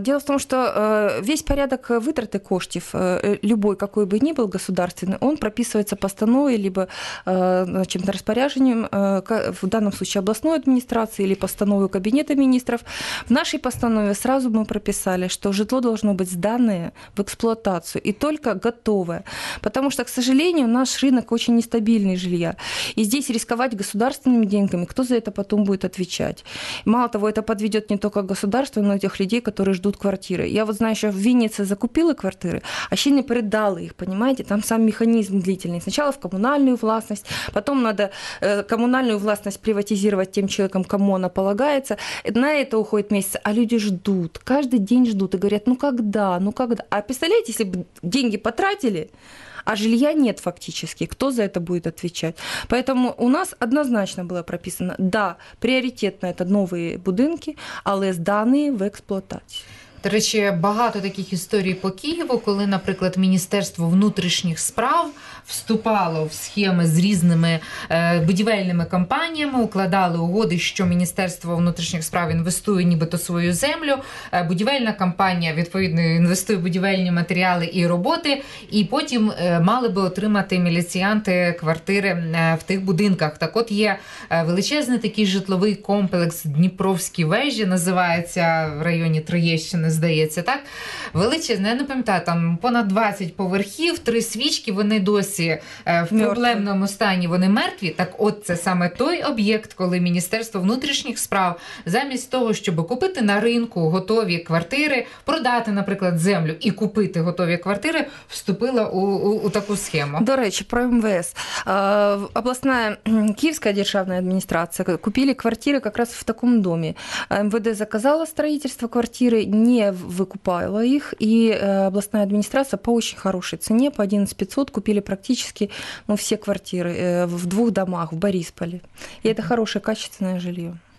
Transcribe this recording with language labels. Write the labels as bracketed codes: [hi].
[uk] Діло в тому, що весь порядок витрати коштів, любой, який би ні був государственний, він прописується постановою, або чим-то розпорядженням, в даному випадку обласної адміністрації, або постановою Кабінету міністрів. В нашій постанові сразу ми прописали, що житло должно бути здане в експлуатацію і тільки готове. [ru] Потому что, к сожалению, наш рынок очень нестабильный жилья. И здесь рисковать государственными деньгами, кто за это потом будет отвечать? Мало того, это подведет не только государство, но и тех людей, которые ждут квартиры. Я вот знаю, что в Виннице закупили квартиры, а еще не передали их, понимаете? Там сам механизм длительный. Сначала в коммунальную властность, потом надо коммунальную властность приватизировать тем человеком, кому она полагается. На это уходит месяц, а люди ждут. Каждый день ждут и говорят, ну когда? А представляете, если бы деньги потратили, а жилья нет фактически. Кто за это будет отвечать? Поэтому у нас однозначно было прописано, да, приоритетно это новые [uk] будинки, але [ru] зданные в эксплуатации. [uk] До речі, багато таких історій по Києву, коли, наприклад, Міністерство внутрішніх справ вступало в схеми з різними будівельними компаніями, укладали угоди, що Міністерство внутрішніх справ інвестує нібито свою землю, будівельна компанія, відповідно, інвестує будівельні матеріали і роботи, і потім мали би отримати міліціянти квартири в тих будинках. Так от є величезний такий житловий комплекс «Дніпровські вежі», називається в районі Троєщини, здається, так? Величезне, я не пам'ятаю, там понад 20 поверхів, три свічки, вони досі в проблемному стані, вони мертві. Так от це саме той об'єкт, коли Міністерство внутрішніх справ замість того, щоб купити на ринку готові квартири, продати, наприклад, землю і купити готові квартири, вступило у таку схему. До речі, про МВС. Обласна Київська державна адміністрація купили квартири якраз в такому домі. [ru] МВД заказала [uk] будівництво квартири, [ru] не выкупала их, и областная администрация по очень хорошей цене, по 11500, купили практически все квартиры в двух домах в Борисполе. И это хорошее, качественное жилье.